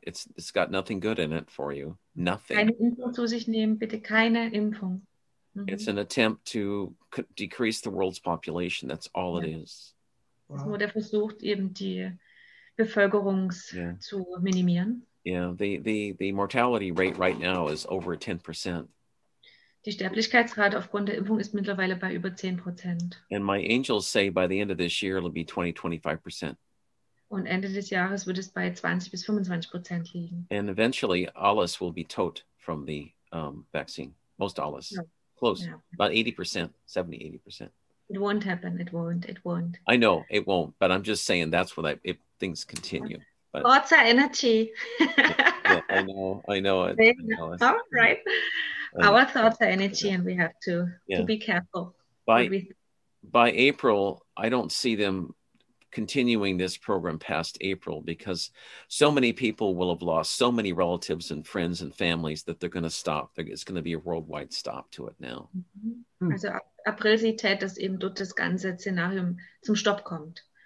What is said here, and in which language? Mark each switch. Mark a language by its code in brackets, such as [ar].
[en] It's got nothing good in it for you. Nothing. [de] Keine Impfung zu sich nehmen, bitte keine Impfung. [en] It's an attempt to decrease the world's population. That's all it is. [de] Wow. Der versucht eben die Bevölkerung zu minimieren. [en] The mortality rate right now is over 10%. [de] Die Sterblichkeitsrate aufgrund der Impfung ist mittlerweile bei über 10%. [en] And my angels say by the end of this year it'll be 20-25%. [de] Und Ende des Jahres wird es bei 20-25% liegen. [en] And eventually [de] alles [en] will be [de] tot [en] from the vaccine. Most [de] alles. [en] About 70-80%. It won't happen. I know it won't, but I'm just saying that's what if things continue. But lots of energy. I know. All right. Our thoughts are energy, and we have to be careful. By April, I don't see them continuing this program past April, because so many people will have lost so many relatives and friends and families that they're going to stop. It's going to be a worldwide stop to it now. Mm-hmm. [de] Also April sieht Ted, dass eben dort das ganze Szenario zum Stopp kommt.